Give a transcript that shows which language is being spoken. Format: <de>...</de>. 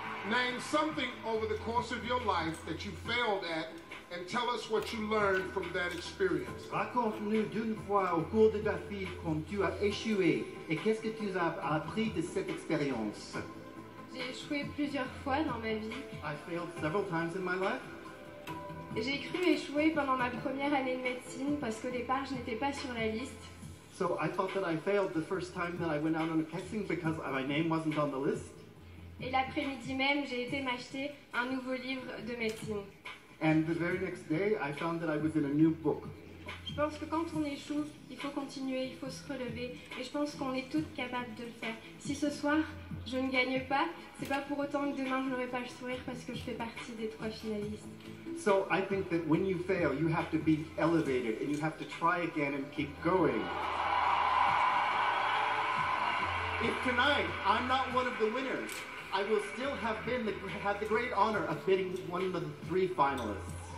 <en>Name something over the course of your life that you failed at and tell us what you learned from that experience.</en> <fr>Raconte-nous d'une fois au cours de ta vie quand tu as échoué et qu'est-ce que tu as appris de cette expérience. J'ai échoué plusieurs fois dans ma vie.</fr> <en>I failed several times in my life.</en> <fr>J'ai cru échouer pendant ma première année de médecine parce qu'au départ je n'étais pas sur la liste.</fr> <en>So I thought that I failed the first time that I went out on a casting because my name wasn't on the list.</en> <fr>Et l'après-midi même, j'ai été m'acheter un nouveau livre de médecine.</fr> <en>And the very next day, I found that I was in a new book.</en> <fr>Je pense que quand on échoue, il faut continuer, il faut se relever. Et je pense qu'on est toutes capables de le faire. Si ce soir, je ne gagne pas, c'est pas pour autant que demain, je n'aurai pas le sourire parce que je fais partie des trois finalistes.</fr> <en>So I think that when you fail, you have to be elevated and you have to try again and keep going. If tonight I'm not one of the winners, I will still have the great honor of being one of the three finalists.</en>